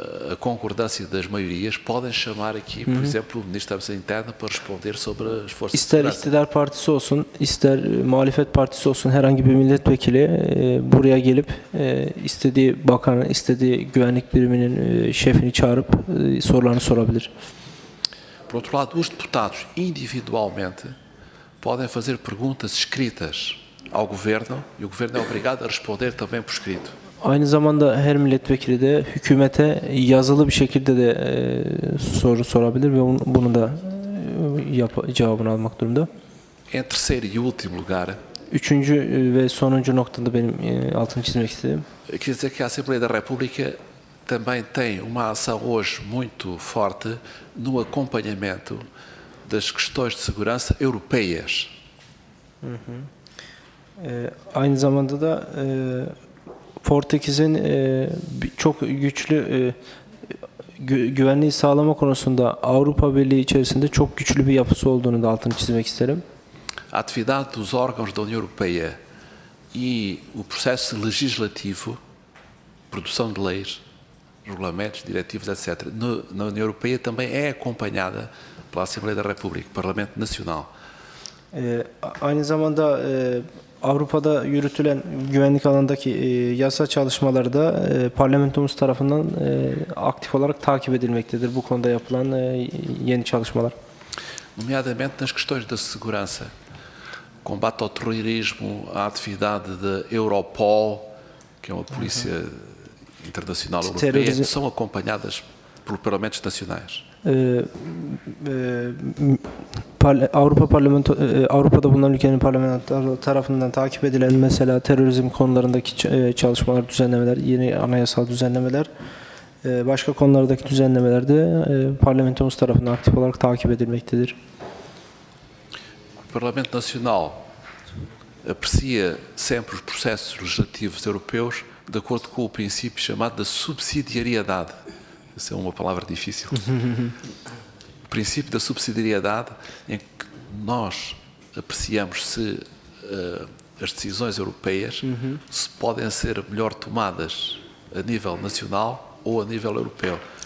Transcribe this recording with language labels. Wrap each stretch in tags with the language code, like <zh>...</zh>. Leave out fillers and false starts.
<pt>a concordância das maiorias, podem chamar aqui, por exemplo, o Ministro da Administração Interna para responder sobre as forças</pt> <tr>ister</tr> <pt>de segurança.</pt> <tr>İster iktidar partisi olsun, ister muhalefet partisi olsun, herhangi bir milletvekili buraya gelip istediği bakanı, istediği güvenlik biriminin şefini çağırıp sorularını sorabilir.</tr> <pt>Por outro lado, os deputados individualmente podem fazer perguntas escritas ao governo e o governo é obrigado a responder também por escrito.</pt> <tr>Aynı zamanda her milletvekili de hükümete yazılı bir şekilde de soru sorabilir ve bunu da cevabını almak durumda.</tr> <pt>En terceiro y último lugar.</pt> <tr>Üçüncü ve sonuncu noktada benim altını çizmek istedim.</tr> <pt>Quer dizer que a Assembleia da República também tem uma ação hoje muito forte no acompanhamento das questões de segurança europeias.</pt> <tr>Aynı zamanda da Portekiz'in çok güçlü güvenliği sağlama konusunda Avrupa Birliği içerisinde çok güçlü bir yapısı olduğunu da altını çizmek isterim.</tr> <pt>Atividade dos órgãos da União Europeia e o processo legislativo, produção de leis, regulamentos, diretivas, etc. na União Europeia também é acompanhada pela Assembleia da República, Parlamento Nacional.</pt> <tr>Aynı zamanda Avrupa'da yürütülen güvenlik alanındaki yasa çalışmaları da parlamentomuz tarafından aktif olarak takip edilmektedir bu konuda yapılan yeni çalışmalar.</tr> <pt>Nomeadamente nas questões da segurança, combate ao terrorismo, a atividade de Europol, que é uma polícia internacional europeia, são acompanhadas por parlamentos nacionais.</pt> <tr>Avrupa Parlamento Avrupa'da bulunan ülkenin parlamentoları tarafından takip edilen mesela terörizm konularındaki çalışmalar, düzenlemeler, yeni anayasal düzenlemeler, başka konulardaki düzenlemeler de parlamentomuz tarafından aktif olarak takip edilmektedir.</tr> <pt>Parlamento Nacional aprecia sempre os processos legislativos europeus de acordo com o princípio chamado de subsidiariedade. Essa é uma palavra difícil. O princípio da subsidiariedade em que nós apreciamos se as decisões europeias se podem ser melhor tomadas a nível nacional ou a nível europeu.</pt>